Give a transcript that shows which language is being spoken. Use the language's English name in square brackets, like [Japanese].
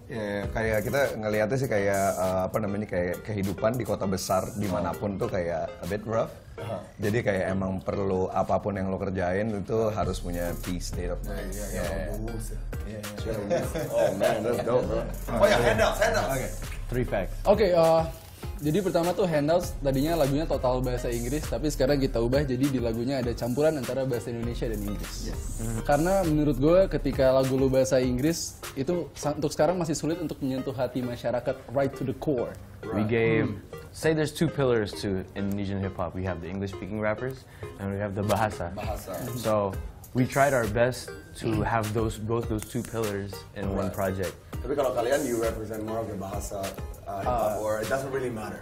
[Indonesian] Yeah, kayak kita ngelihatnya sih kayak apa namanya kayak kehidupan di kota besar dimanapun tuh kayak [English] a bit rough. [Indonesian] Jadi kayak emang perlu apapun yang lo kerjain itu harus punya [English] peace state of mind. Yeah. Oh man, that's dope, bro. Oh ya, handouts. Okay, 3 facts. Okay. [Indonesian] Jadi pertama tuh Handouts tadinya lagunya total bahasa Inggris, tapi sekarang kita ubah jadi di lagunya ada campuran antara bahasa Indonesia dan Inggris. [English] Yes. [Indonesian] Karena menurut gue ketika lagu lu bahasa Inggris itu untuk sekarang masih sulit untuk menyentuh hati masyarakat [English] right to the core. We gave, say there's two pillars to Indonesian hip hop. We have the English speaking rappers and we have the bahasa. So we tried our best to have those both those two pillars in one project. [Indonesian] Tapi kalau kalian [English] you represent more of the bahasa. Or it doesn't really matter.